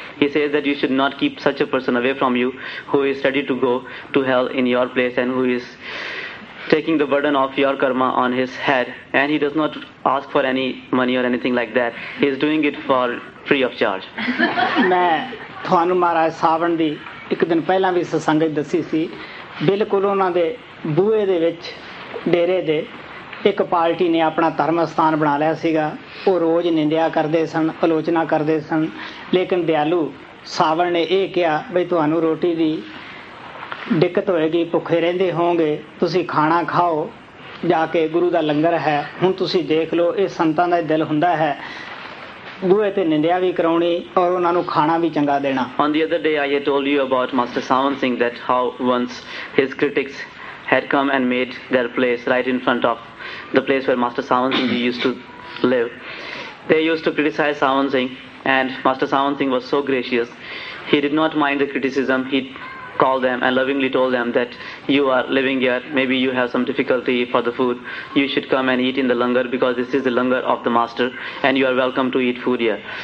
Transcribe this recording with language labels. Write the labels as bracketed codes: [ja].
[en] He says that you should not keep such a person away from you who is ready to go to hell in your place and who is taking the burden of your karma on his head, and he does not ask for any money or anything like that. He is doing it for free of charge. [pa] Main tuhanu maharaj savan di ik din pehla vi satsang dassi si, bilkul unna de ਬੂਹੇ ਦੇ ਵਿੱਚ ਡੇਰੇ ਦੇ ਇੱਕ party ਨੇ ਆਪਣਾ ਧਰਮ ਸਥਾਨ ਬਣਾ ਲਿਆ ਸੀਗਾ। ਉਹ ਰੋਜ਼ ਨਿੰਦਿਆ ਕਰਦੇ ਸਨ, ਆਲੋਚਨਾ ਕਰਦੇ ਸਨ, ਲੇਕਿਨ ਦਿਆਲੂ ਸਾਵਣ ਨੇ ਇਹ ਕਿਹਾ ਬਈ ਤੁਹਾਨੂੰ ਰੋਟੀ ਦੀ ਦਿੱਕਤ ਹੋਏਗੀ, ਭੁੱਖੇ ਰਹਿੰਦੇ ਹੋਵੋਗੇ, ਤੁਸੀਂ ਖਾਣਾ ਖਾਓ, ਜਾ ਕੇ ਗੁਰੂ ਦਾ ਲੰਗਰ ਹੈ, ਹੁਣ ਤੁਸੀਂ ਦੇਖ ਲਓ ਇਹ ਸੰਤਾਂ ਦਾ ਦਿਲ ਹੁੰਦਾ ਹੈ, ਬੂਹੇ 'ਤੇ ਨਿੰਦਿਆ ਵੀ ਕਰਾਉਣੀ ਔਰ ਉਹਨਾਂ ਨੂੰ ਖਾਣਾ ਵੀ ਚੰਗਾ ਦੇਣਾ। [en] On the other day I have told you about master Sawan Singh that how once his critics had come and made their place right in front of the place where Master Sawan Singh used to live. They used to criticize Sawan Singh, and Master Sawan Singh was so gracious. He did not mind the criticism. He called them and lovingly told them that you are living here, maybe you have some difficulty for the food. You should come and eat in the langar, because this is the langar of the master and you are welcome to eat food here.